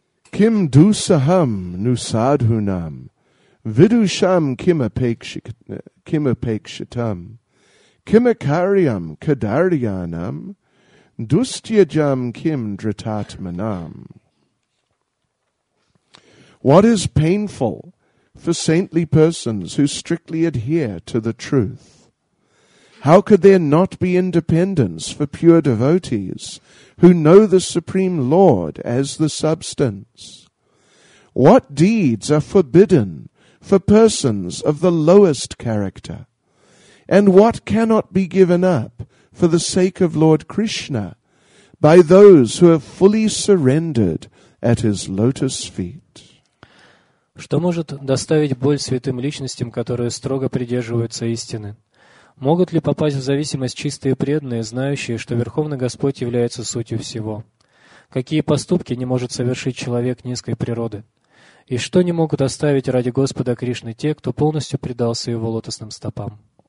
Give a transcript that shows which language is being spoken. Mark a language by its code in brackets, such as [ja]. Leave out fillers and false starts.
[sa] Kim dusaham nusadhunam, vidusham kim apekshatam, Кимакариам кадарьянам, дустьяджам ким дритатманам. [en] What is painful for saintly persons who strictly adhere to the truth? How could there not be independence for pure devotees who know the Supreme Lord as the substance? What deeds are forbidden for persons of the lowest character? And what cannot be given up for the sake of Lord Krishna by those who have fully surrendered at his lotus feet? [ru] Что может доставить боль святым личностям, которые строго придерживаются истины? Могут ли попасть в зависимость чистые преданные, знающие, что Верховный Господь является сутью всего? Какие поступки не может совершить человек низкой природы? И что не могут оставить ради Господа Кришны те, кто полностью предался Его лотосным стопам?